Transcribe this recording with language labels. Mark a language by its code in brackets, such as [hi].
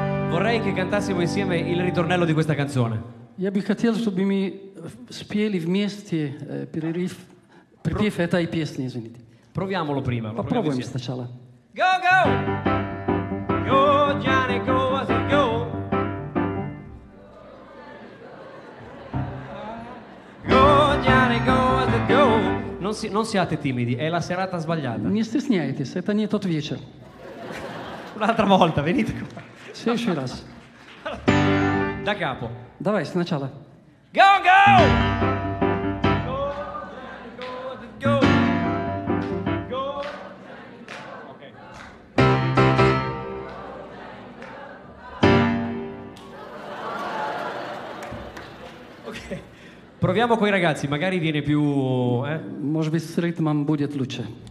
[it] Vorrei che cantassimo insieme il ritornello di questa canzone. [ru] Я бы хотел, чтобы мы спели вместе перерыв, припев этой песни, извините. [it] Провiamolo prima. [ru] Попробуем сначала. [en] Go, go! Go, Johnny, go, as you go! Go, Johnny, go, as you go! [it] Non siate timidi, è la serata sbagliata. [ru] Не стесняйтесь, это не тот вечер. [it] Un'altra volta, venite qua. [ru] Sì, еще раз. [it] Da capo. [ru] Давай, сначала. [en] Go, go! Go, go, go! Go, okay. Ok. [it] Proviamo con i ragazzi, magari viene più... [ru] Может быть, с ритмом будет лучше.